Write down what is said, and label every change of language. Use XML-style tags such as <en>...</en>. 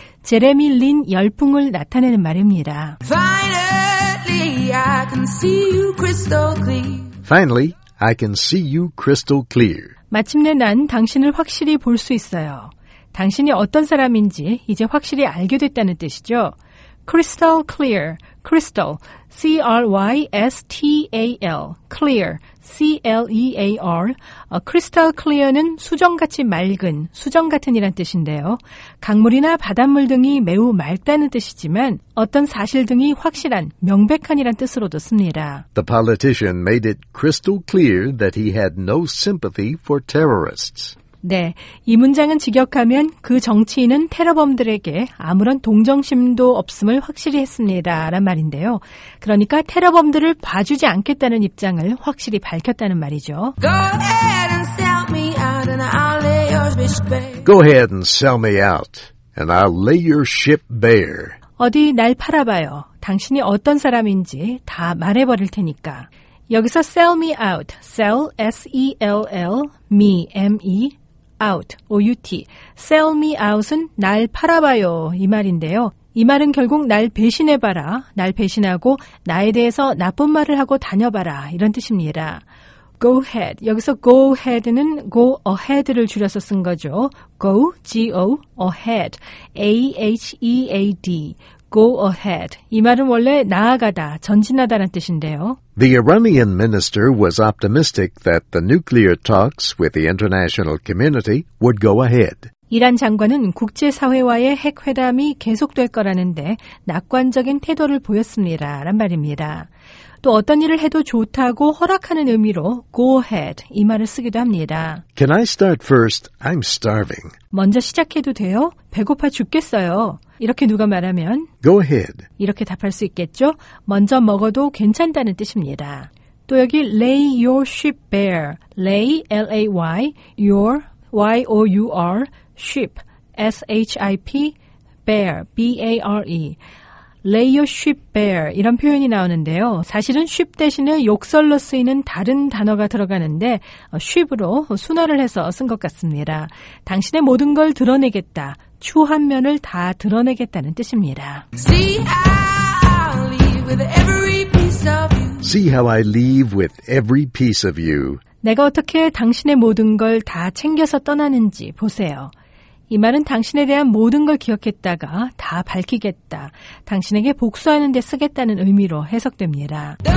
<ko>제레미 린 열풍을 나타내는 말입니다.</ko> <en>Finally, I can see you crystal clear. Finally, I can see you crystal clear.</en> <ko>마침내 난 당신을 확실히 볼 수 있어요. 당신이 어떤 사람인지 이제 확실히 알게 됐다는 뜻이죠.</ko> <en>Crystal clear, crystal, C-R-Y-S-T-A-L, clear, C-L-E-A-R. Crystal clear</en> <ko>는 수정같이 맑은, 수정같은이란 뜻인데요. 강물이나 바닷물 등이 매우 맑다는 뜻이지만 어떤 사실 등이 확실한, 명백한이란 뜻으로도 씁니다.</ko> <en>The politician made it crystal clear that he had no sympathy for terrorists.</en> <ko>네, 이 문장은 직역하면 그 정치인은 테러범들에게 아무런 동정심도 없음을 확실히 했습니다. 라는 말인데요. 그러니까 테러범들을 봐주지 않겠다는 입장을 확실히 밝혔다는 말이죠.</ko> <en>Go ahead and sell me out and I'll lay your ship bare. Go ahead and sell me out and I'll lay your ship bare.</en> <ko>어디 날 팔아봐요. 당신이 어떤 사람인지 다 말해버릴 테니까.</ko> <en>여기서 sell me out, sell, S-E-L-L, me, M-E, out, O-U-T. Sell me out</en> <ko>은 날 팔아봐요, 이 말인데요. 이 말은 결국 날 배신해봐라, 날 배신하고 나에 대해서 나쁜 말을 하고 다녀봐라, 이런 뜻입니다.</ko> <en>Go ahead,</en> <ko>여기서</ko> <en>go ahead</en> <ko>는 go ahead를 줄여서 쓴 거죠.</ko> <en>Go, G-O, ahead, A-H-E-A-D. Go ahead.</en> <ko>이 말은 원래 나아가다, 전진하다라는 뜻인데요.</ko> <en>The Iranian minister was optimistic that the nuclear talks with the international community would go ahead.</en> <ko>이란 장관은 국제사회와의 핵회담이 계속될 거라는데 낙관적인 태도를 보였습니다. 라는 말입니다. 또 어떤 일을 해도 좋다고 허락하는 의미로</ko> <en>go ahead</en> <ko>이 말을 쓰기도 합니다.</ko> <en>Can I start first? I'm starving.</en> <ko>먼저 시작해도 돼요? 배고파 죽겠어요. 이렇게 누가 말하면</ko> <en>go ahead</en> <ko>이렇게 답할 수 있겠죠? 먼저 먹어도 괜찮다는 뜻입니다. 또 여기</ko> <en>lay your ship bare. Lay, L-A-Y, your, Y-O-U-R, ship, S-H-I-P, bare, B-A-R-E. Lay your ship bare</en> <ko>이런 표현이 나오는데요. 사실은 ship 대신에 욕설로 쓰이는 다른 단어가 들어가는데 ship으로 순화를 해서 쓴 것 같습니다. 당신의 모든 걸 드러내겠다. 추한 면을 다 드러내겠다는 뜻입니다.</ko> <en>See how I leave with every piece of you. See how I leave with every piece of you.</en> <ko>내가 어떻게 당신의 모든 걸 다 챙겨서 떠나는지 보세요. 이 말은 당신에 대한 모든 걸 기억했다가 다 밝히겠다. 당신에게 복수하는 데 쓰겠다는 의미로 해석됩니다.</ko>